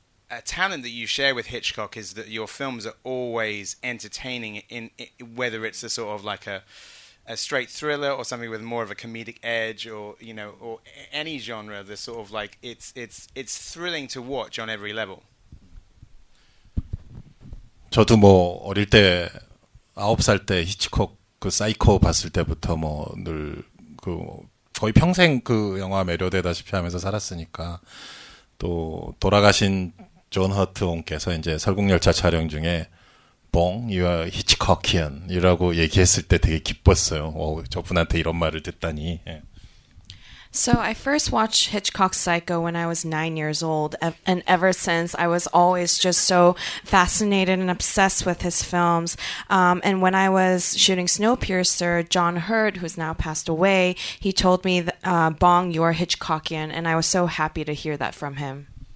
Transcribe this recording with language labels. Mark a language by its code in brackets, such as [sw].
[en] A talent that you share with Hitchcock is that your films are always entertaining, in whether it's a sort of like a straight thriller or something with more of a comedic edge, or you know, or any genre. The sort of like it's thrilling to watch on every level. [ko] 저도 뭐 어릴 때 아홉 살 때 히치콕 그 사이코 봤을 때부터 뭐 늘 그 거의 평생 그 영화 매료되다시피 하면서 살았으니까 또 돌아가신 존 허트 옹께서 이제 설국열차 촬영 중에 봉, [en] you are Hitchcockian [ko] 이라고 얘기했을 때 되게 기뻤어요. 오, 저분한테 이런 말을 듣다니. [en] So I first watched Hitchcock's Psycho when I was 9 years old, and ever since, I was always just so fascinated and obsessed with his films. And when I was shooting Snowpiercer, John Hurt, who's now passed away, he told me, Bong, you are Hitchcockian, and I was so happy to hear that from him.